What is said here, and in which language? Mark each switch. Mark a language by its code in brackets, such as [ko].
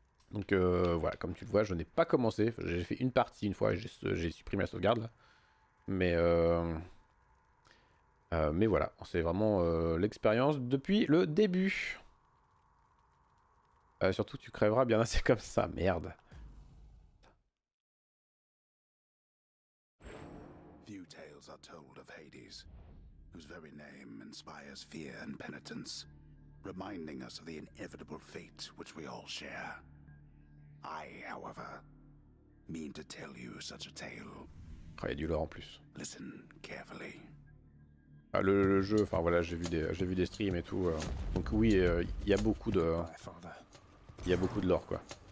[fr] Donc, voilà, comme tu le vois, je n'ai pas commencé. J'ai fait une partie une fois, j'ai supprimé la sauvegarde là. Mais voilà, c'est vraiment l'expérience depuis le début. Surtout que tu crèveras bien assez comme ça, merde. [en] Few tales are told of Hades, whose very name inspires fear and penitence, reminding us of the inevitable fate which we all share. I, however, mean to tell you such a tale. [fr] Ah, y a du lore en plus. [en] Listen carefully. [fr] Ah, le jeu, enfin voilà, j'ai vu des streams et tout. Donc oui, il y a beaucoup de lore quoi.